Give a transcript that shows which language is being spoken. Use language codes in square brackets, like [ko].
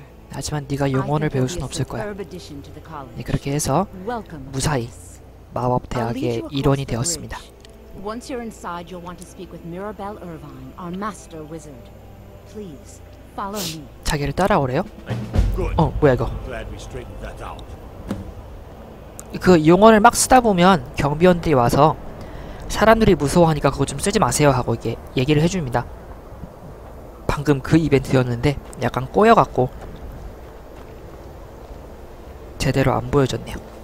[ko] 하지만 네가 용언을 배울 순 없을 거야. 네, 그렇게 해서 무사히 마법 대학의 일원이 되었습니다. [en] Once you're inside, you'll want to speak with Mirabelle Irvine, our master wizard. Please follow me. [ko] 자기를 따라오래요? 어, 뭐야 이거? [en] Glad we straightened that out. [ko] 그 용언을 막 쓰다 보면 경비원들이 와서 사람들이 무서워하니까 그거 좀 쓰지 마세요 하고 이게 얘기를 해줍니다. 방금 그 이벤트였는데 약간 꼬여갖고 제대로 안 보여졌네요.